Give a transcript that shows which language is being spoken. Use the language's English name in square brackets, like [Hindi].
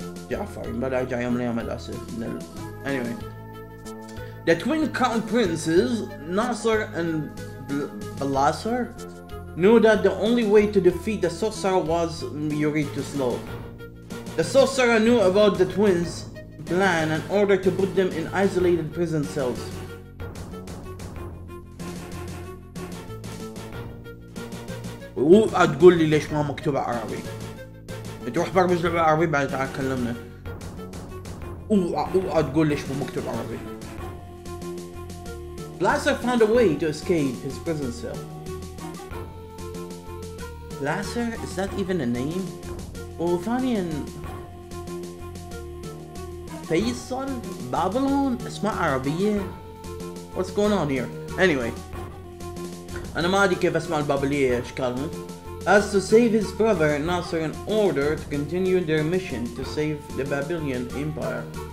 [Arabic] جعفر بدأ يرجع يوم ليوم للأسف. [English] Anyway. The twin crown princes, Nasser and Blasser, knew that the only way to defeat the sorcerer was Eurytus Law. The sorcerer knew about the twins' plan and ordered to put them in isolated prison cells. [Arabic] و تقول لي ليش ما مكتوب عربي؟ تروح برمج لعبة عربي بعد تعال كلمنا. و تقول ليش ما مكتوب عربي؟ [English] Blasser found a way to escape his prison cell. Blasser, is that even a name? [Arabic] وثانيا فيصل بابلون اسماء عربية. [English] What's going on here? [Arabic] Anyway, أنا ما أدري كيف اسماء البابلية أشكالهم. [English] As to save his brother Nasser in order to continue their mission to save the Babylonian Empire.